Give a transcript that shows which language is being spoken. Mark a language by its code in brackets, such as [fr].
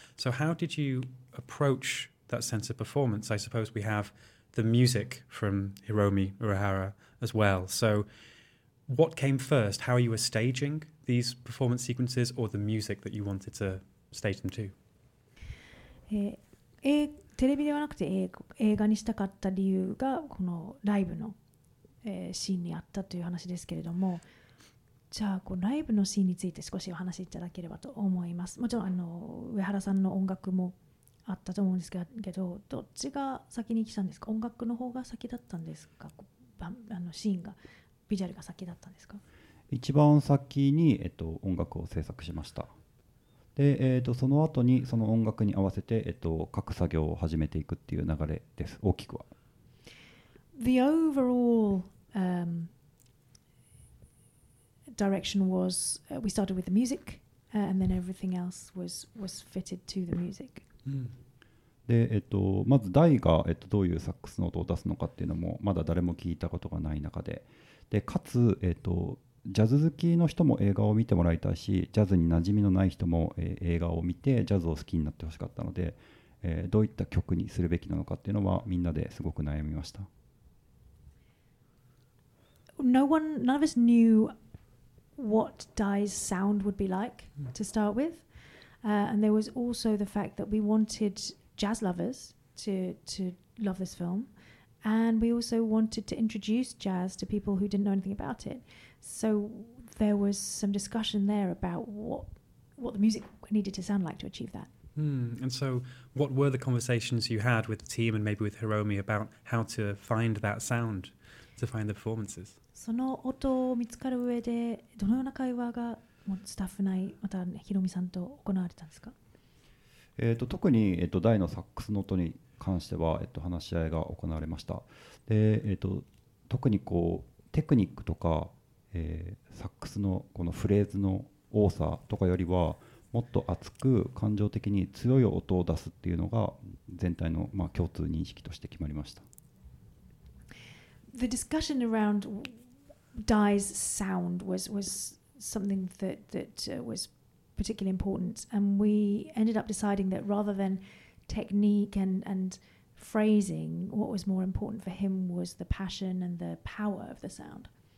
[en] So how did you approach that sense of performance? I suppose we have the music from Hiromi Urahara as well. So what came first? How you were staging these performance sequences or the music that you wanted to stage them to? [ja] テレビではなくて映画にしたかった理由がこのライブのシーンにあったという話ですけれども、じゃあこうライブのシーンについて少しお話しいただければと思います。もちろんあの上原さんの音楽もあったと思うんですけど、どっちが先に来たんですか？音楽の方が先だったんですか？あのシーンがビジュアルが先だったんですか？一番先に、音楽を制作しました。で、その後にその音楽に合わせて、各作業を始めていくっていう流れです。大きくは [en] The overall、direction was、we started with the music、and then everything else was fitted to the music、 [ja] うん。でまずダイが、どういうサックスの音を出すのかっていうのもまだ誰も聞いたことがない中 でかつ、ジャズ好きの人も映画を見てもらいたいし、ジャズに馴染みのない人も、映画を見てジャズを好きになってほしかったので、どういった曲にするべきなのかっていうのはみんなですごく悩みました。 [en] none of us knew what Dai's sound would be like to start with、and there was also the fact that we wantedJazz lovers to love this film, and we also wanted to introduce jazz to people who didn't know anything about it. So there was some discussion there about what the music needed to sound like to achieve that. And so, what were the conversations you had with the team and maybe with Hiromi about how to find that sound, to find the performances? [ja] その音を見つかる上でどのような会話がスタッフ内またヒロミさんと行われたんですか？特に、ダイのサックスの音に関しては、話し合いが行われました。で、特にこうテクニックとか、サックスのこのフレーズの多さとかよりはもっと厚く感情的に強い音を出すっていうのが全体の、まあ、共通認識として決まりました。 [en] The discussion around Dai's sound was something that wasparticularly important, and we ended up deciding that rather than technique and phrasing, what was more important for him was the passion and the power of the sound.